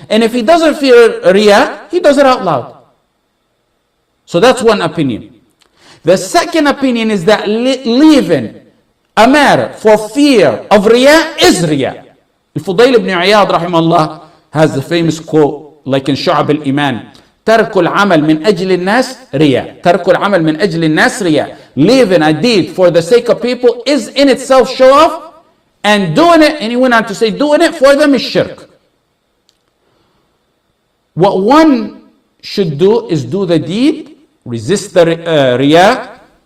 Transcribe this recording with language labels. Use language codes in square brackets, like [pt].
[en] And if he doesn't fear riya, he does it out loud. So that's one opinion. The second opinion is that leaving a matter for fear of riya is riya. Al-Fudayl ibn Iyad, rahimahullah, has the famous quote, like in Shu'ab al-Iman, [ar] ترك العمل من أجل الناس رياء. ترك العمل من أجل الناس رياء. [en] Leaving a deed for the sake of people is in itself show off. And doing it, and he went on to say, doing it for them is shirk. What one should do is do the deed, resist the riya.